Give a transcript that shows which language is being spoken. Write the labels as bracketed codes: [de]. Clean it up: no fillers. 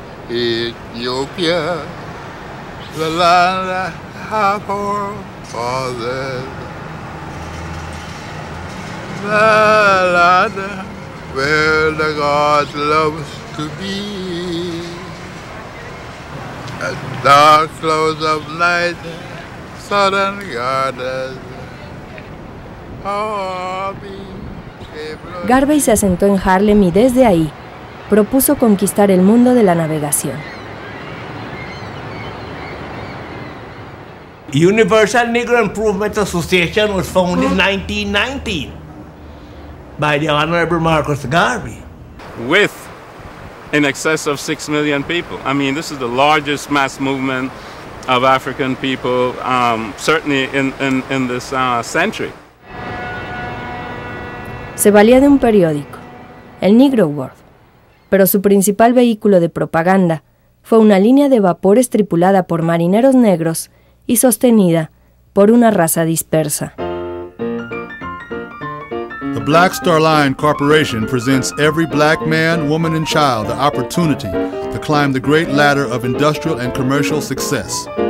[en] Ethiopia, the land of our fathers, the land where the gods loves to be. At dark close of night, southern goddess, how are we? [es] Garvey se asentó en Harlem y desde ahí propuso conquistar el mundo de la navegación. [en] Universal Negro Improvement Association was founded in 1919 by the Honorable Marcus Garvey. With in excess of 6 million people. I mean, this is the largest mass movement of African people, certainly in this century. [es] Se valía de un periódico, el Negro World. Pero su principal vehículo de propaganda fue una línea de vapores tripulada por marineros negros y sostenida por una raza dispersa. [en] The Black Star Line Corporation presents every black man, woman, and child the opportunity to climb the great ladder of industrial and commercial success.